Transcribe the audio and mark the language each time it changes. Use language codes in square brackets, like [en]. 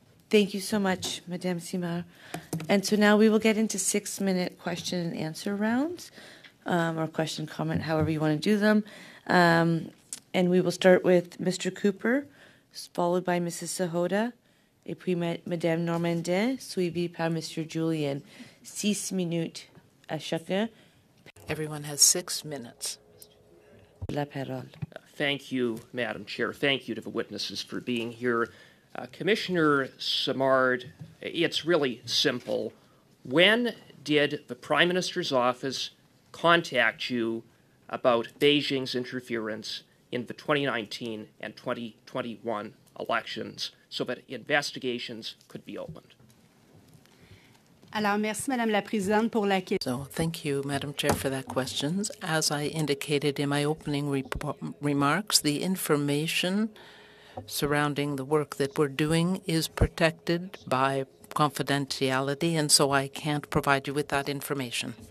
[en] Thank you so much, Madame Simard. And so now we will get into 6-minute question and answer rounds, or question comment, however you want to do them. And we will start with Mr. Cooper, followed by Mrs. [fr] Sahota, et puis Madame Normandin, suivi par Mr. Julien. 6 minutes à chacun. [en] Everyone has 6 minutes. [fr] La parole. [en] Thank you, Madam Chair. Thank you to the witnesses for being here. Commissioner Simard, it's really simple. When did the Prime Minister's office contact you about Beijing's interference in the 2019 and 2021 elections so that investigations could be opened? [fr] Alors, merci, Madame la Présidente, pour la question. [en] So, thank you, Madam Chair, for that question. As I indicated in my opening remarks, the information surrounding the work that we're doing is protected by confidentiality, and so I can't provide you with that information.